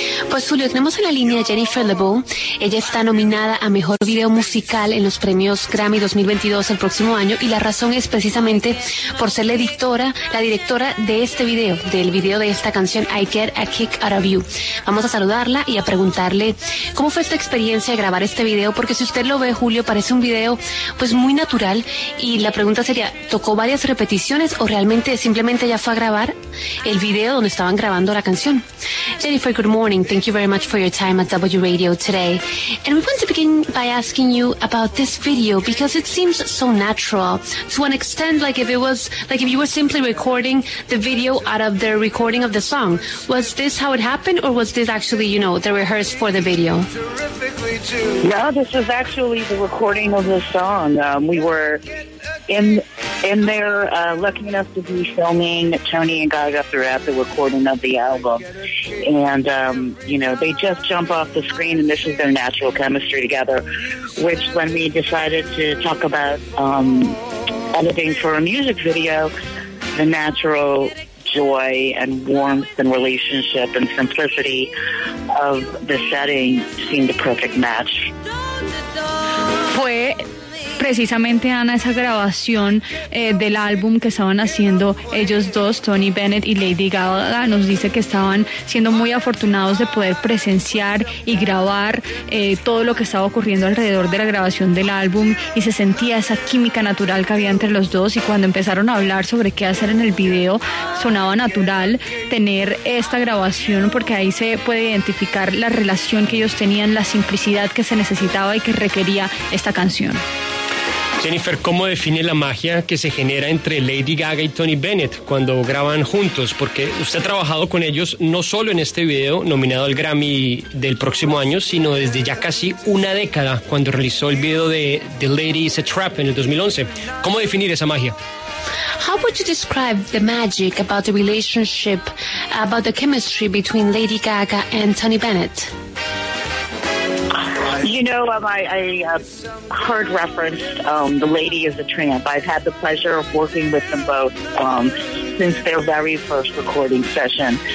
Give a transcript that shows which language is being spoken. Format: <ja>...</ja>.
<es>Pues Julio, tenemos en la línea a Jennifer LeBeau. Ella está nominada a Mejor Video Musical en los premios Grammy 2022 el próximo año, y la razón es precisamente por ser la editora, la directora de este video, del video de esta canción, I Get a Kick Out of You. Vamos a saludarla y a preguntarle cómo fue esta experiencia de grabar este video, porque si usted lo ve, Julio, parece un video pues muy natural, y la pregunta sería, ¿tocó varias repeticiones o realmente simplemente ya fue a grabar el video donde estaban grabando la canción?</es> <en>Jennifer, good morning. Thank you very much for your time at W Radio today. And we want to begin by asking you about this video, because it seems so natural to an extent, like if it was, like if you were simply recording the video out of the recording of the song. Was this how it happened, or was this actually, you know, the rehearse for the video? No, this is actually the recording of the song. We were in there, lucky enough to be filming Tony and Gaga throughout the recording of the album. And, you know, they just jump off the screen, and this is their natural chemistry together, which when we decided to talk about editing for a music video, the natural joy and warmth and relationship and simplicity of the setting seemed a perfect match.</en> <es>Fue precisamente, Ana, esa grabación del álbum que estaban haciendo ellos dos, Tony Bennett y Lady Gaga. Nos dice que estaban siendo muy afortunados de poder presenciar y grabar todo lo que estaba ocurriendo alrededor de la grabación del álbum, y se sentía esa química natural que había entre los dos, y cuando empezaron a hablar sobre qué hacer en el video, sonaba natural tener esta grabación, porque ahí se puede identificar la relación que ellos tenían, la simplicidad que se necesitaba y que requería esta canción. Jennifer, ¿cómo define la magia que se genera entre Lady Gaga y Tony Bennett cuando graban juntos? Porque usted ha trabajado con ellos no solo en este video nominado al Grammy del próximo año, sino desde ya casi una década cuando realizó el video de The Lady is a Trap en el 2011. ¿Cómo definir esa magia?</es> <en>How would you describe the magic about the relationship, about the chemistry between Lady Gaga and Tony Bennett? You know, heard referenced The Lady is a Tramp. I've had the pleasure of working with them both since their very first recording session.</en>